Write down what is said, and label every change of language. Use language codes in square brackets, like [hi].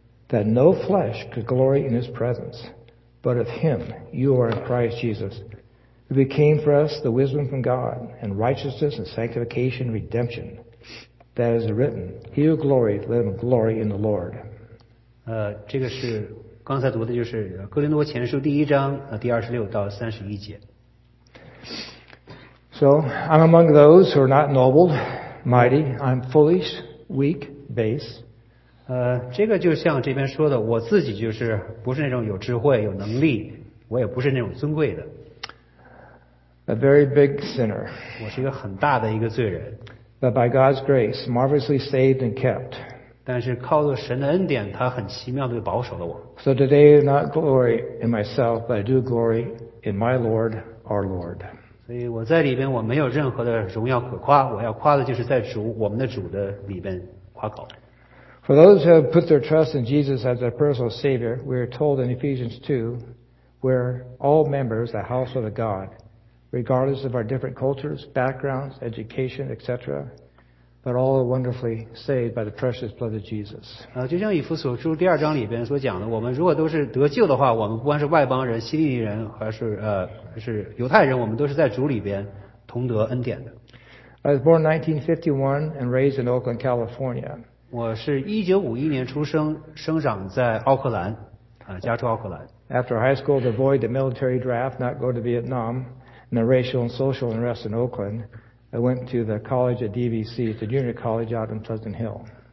[en] That no flesh could glory in His presence, but of Him you are in Christ Jesus, who became for us the wisdom from God, and righteousness and sanctification and redemption. That is written, He who glorieth, let him glory in the Lord. [zh] 这个是刚才读的就是《哥林多前书》第一章第26到31节。 [en] So I'm among those who are not noble, mighty. I'm foolish, weak, base. [zh] 这个就像这边说的，我自己就是不是那种有智慧、有能力，我也不是那种尊贵的。 [en] A very big sinner. [zh] 我是一个很大的一个罪人。 [en] But by God's grace, marvelously saved and kept. [zh] 但是靠着神的恩典，他很奇妙地保守了我。 [en] So today, not glory in myself, but I do glory in my Lord, our Lord. [zh] 所以我在里边我没有任何的荣耀可夸，我要夸的就是在主我们的主的里边夸口。 [en] For those who have put their trust in Jesus as their personal Savior, we are told in Ephesians 2, we're all members of the household of God, regardless of our different cultures, backgrounds, education, etc. But all are wonderfully saved by the precious blood of Jesus. [zh] 就像以弗所书第二章里边所讲的，我们如果都是得救的话，我们不管是外邦人、希利尼人，还是犹太人，我们都是在主里边同得恩典的。 [en] I was born in 1951 and raised in Oakland, California. [zh] 我是1951年出生，生长在奥克兰，加州奥克兰。 [en] After high school, to avoid the military draft, not go to Vietnam, and the racial and social unrest in Oakland, I went to the college at DVC, the junior college out in Pleasant Hill.